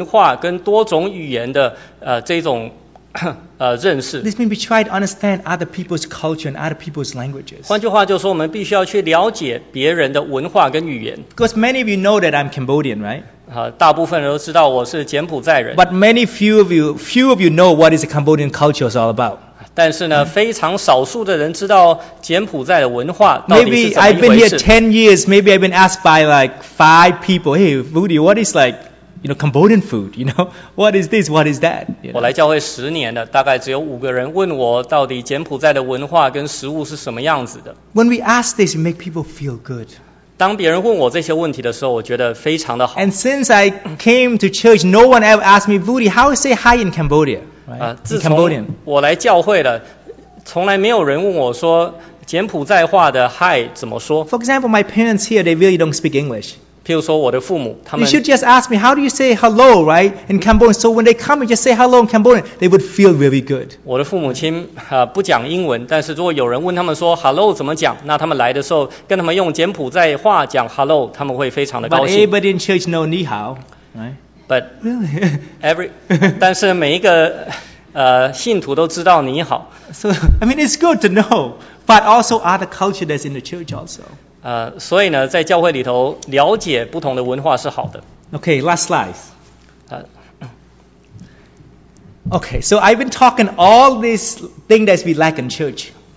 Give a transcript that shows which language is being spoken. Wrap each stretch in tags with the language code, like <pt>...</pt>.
<zh>我们必须要拥有这种多元文化跟多种语言的, 这种, 认识。</zh> <en>This means we try to understand other people's culture and other people's languages.</en> <zh>换句话就是说我们必须要去了解别人的文化跟语言。</zh> <en>Because many of you know that I'm Cambodian, right?</en> <zh>大部分人都知道我是柬埔寨人。</zh> <en>But many few of you know what is the Cambodian culture is all about.</en> <zh>但是呢, 非常少数的人知道柬埔寨的文化到底是怎么一回事。</zh> <en>Maybe I've been here 10 years, maybe I've been asked by like 5 people, hey, Voody, what is like you know, Cambodian food, you know, what is this, what is that? You know?</en> <zh>我来教会十年了, 大概只有五个人问我到底柬埔寨的文化跟食物是什么样子的。</zh> <en>When we ask this, it makes people feel good.</en> <zh>当别人问我这些问题的时候，我觉得非常的好。</zh> <en>And since I came to church, no one ever asked me, Vudi, how do you say hi in Cambodia? Right?</en> <zh>自从我来教会了，从来没有人问我说柬埔寨话的hi怎么说。</zh> <en>For example, my parents here, they really don't speak English.</en> <zh>譬如说我的父母，他们</zh> <en>You should just ask me, how do you say hello, right, in Cambodian? So when they come, you just say hello in Cambodian, they would feel really good.</en> <zh>我的父母亲不讲英文，但是如果有人问他们说 hello 怎么讲，那他们来的时候跟他们用柬埔寨话讲 hello, 他们会非常的高兴。</zh> <en>But everybody in church know 你好, right? But really, every</en> <zh>但是每一个信徒都知道你好。</zh> <en>So I mean, it's good to know, but also other culture that's in the church also.</en> <zh>所以呢，在教会里头了解不同的文化是好的。</zh> <en>Okay, last slide. Okay, so I've been talking all these things that we lack in church.</en>